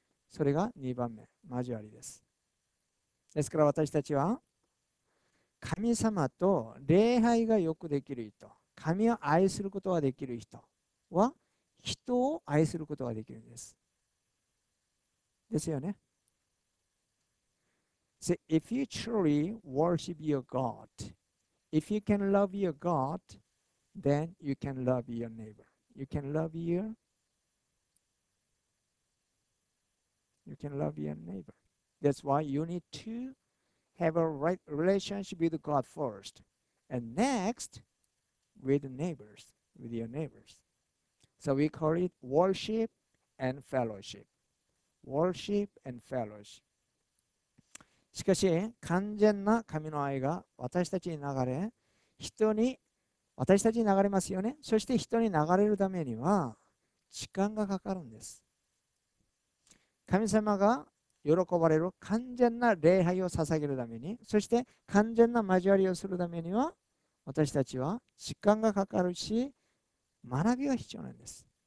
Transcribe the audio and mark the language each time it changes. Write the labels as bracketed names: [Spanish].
[Japanese] それが2番目、交わりです。ですから私たちは、神様と礼拝がよくできる人、神を愛することができる人は、人を愛することができるんです。ですよね。 [English] See, if you truly worship your God, if you can love your God, then you can love your neighbor. You can love your neighbor. That's why you need to have a right relationship with God first, and next with neighbors, with your neighbors. So we call it worship and fellowship. Worship and fellowship. [Japanese] しかし、完全な神の愛が私たちに流れ、私たちに流れますよね。そして人に流れるためには時間がかかるんです。神様が喜ばれる完全な礼拝を捧げるために、そして完全な交わりをするためには、私たちは時間がかかるし、学びが必要なんです。